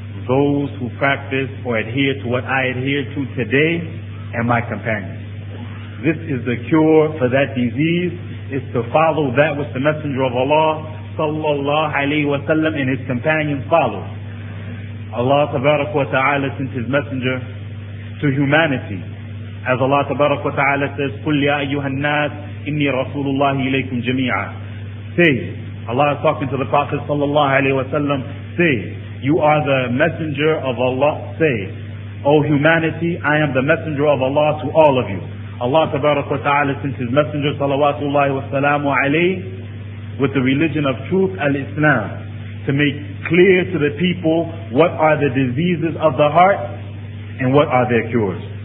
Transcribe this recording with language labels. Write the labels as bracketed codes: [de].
[en] those who practice or adhere to what I adhere to today and my companions. This is the cure for that disease, is to follow that which the Messenger of Allah sallallahu alayhi wa sallam and his companions follow. Allah tabarak wa ta'ala sent his messenger to humanity. As Allah tabarak wa ta'ala says, [ar] قُلْ يَا أَيُّهَا النَّاسِ إِنِّي رَسُولُ اللَّهِ إِلَيْكُمْ جَمِيعًا. [en] Say, Allah is talking to the Prophet sallallahu alayhi wa sallam, say, you are the messenger of Allah. Say, O humanity, I am the messenger of Allah to all of you. Allah tabarak wa ta'ala sent his messenger salawatullahi wa salamu alayhi with the religion of truth, al-Islam, to make clear to the people what are the diseases of the heart and what are their cures.